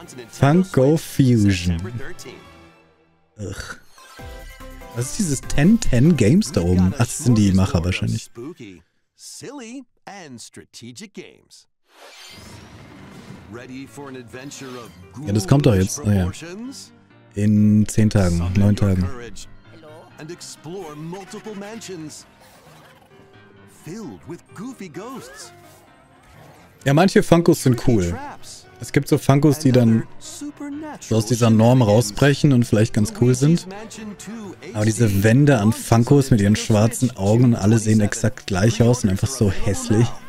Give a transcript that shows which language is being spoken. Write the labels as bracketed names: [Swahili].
[English] Funko Fusion. Ugh. [German] Was ist dieses 1010 Games da oben? Ach, das sind die Macher wahrscheinlich. [English] Spooky, silly and strategic games. Ready for an adventure of ghoulish. [German] Ja, das kommt doch jetzt. Oh, ja. In 10 Tagen, 9 Tagen. [English] And explore multiple mansions filled with goofy ghosts. [German] Ja, manche Funkos sind cool. Es gibt so Funkos, die dann so aus dieser Norm rausbrechen und vielleicht ganz cool sind. Aber diese Wände an Funkos mit ihren schwarzen Augen und alle sehen exakt gleich aus und einfach so hässlich.